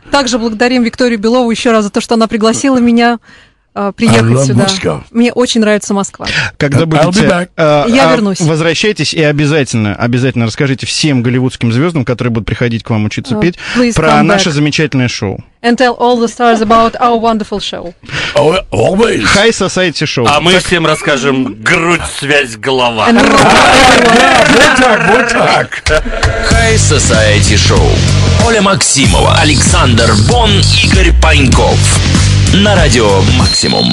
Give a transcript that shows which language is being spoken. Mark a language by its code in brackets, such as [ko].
[ru] Мы также благодарим Викторию Белову еще раз за то, что она пригласила меня приехать сюда. [en] Moscow. [ru] Мне очень нравится Москва. Когда будете, я вернусь. Возвращайтесь и обязательно расскажите всем голливудским звездам, которые будут приходить к вам учиться петь, про наше замечательное шоу. [en] And tell all the stars about our wonderful show. Always. High society show. [ru] А так... мы всем расскажем грудь, связь, голова. Вот так. [en] High society show. [ru] Оля Максимова, Александр Бон, Игорь Паньков. На радио «Максимум».